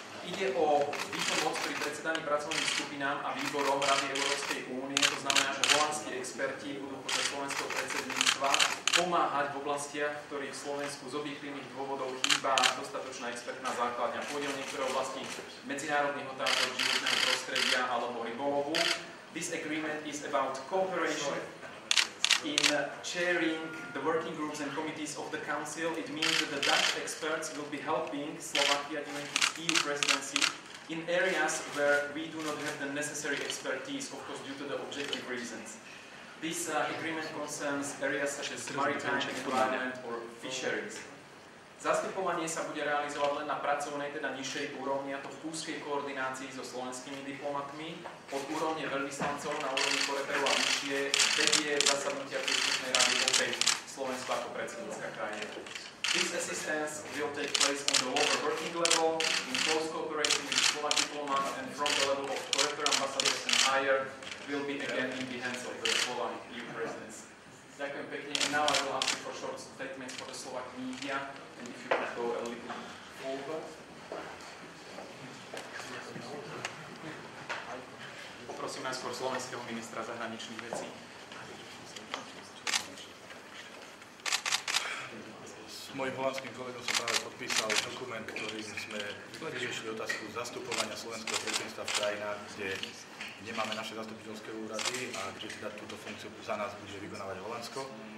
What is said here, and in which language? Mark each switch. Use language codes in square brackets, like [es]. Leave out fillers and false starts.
[sk] Ide o výpomoc pri predsedaní pracovným skupinám a výborom Rady Európskej únie, to znamená, že holandskí experti budú počas slovenského predsedníctva pomáhať v oblastiach, v ktorých v Slovensku z objektívnych dôvodov chýba dostatočná expertná základňa. Pôjde o niektoré oblasti medzinárodných otázok životného prostredia alebo rybolovu. [en] This agreement is about cooperation in chairing the working groups and committees of the Council. It means that the Dutch experts will be helping Slovakia during the EU presidency in areas where we do not have the necessary expertise, of course, due to the objective reasons. This agreement concerns areas such as maritime, environment or fisheries. [sk] Zastupovanie sa bude realizovať len na pracovnej, teda nižšej úrovni, a to v úzkej koordinácii so slovenskými diplomatmi. Od úrovne veľvyslancov na úrovni koreperu a vyššie vedie zasadnutia príslušnej rady opäť Slovensko ako predsedníctva krajine. [en] This assistance will take place on the lower working level, in close cooperation with Slovak diplomat, and from the level of corrector ambassadors and higher will be again in the hands of the Slovak EU presidents. [sk] Ďakujem pekne. [en] Now I will ask you for short statements for the Slovak media. And if you could go a little over. [sk] Prosím najskôr slovenského ministra zahraničných vecí. S mojim holandským kolegom som práve podpísal dokument, ktorým sme vyriešili otázku zastupovania slovenského predsedníctva v krajinách, kde nemáme naše zastupiteľské úrady a kde teda túto funkciu za nás bude vykonávať Holandsko.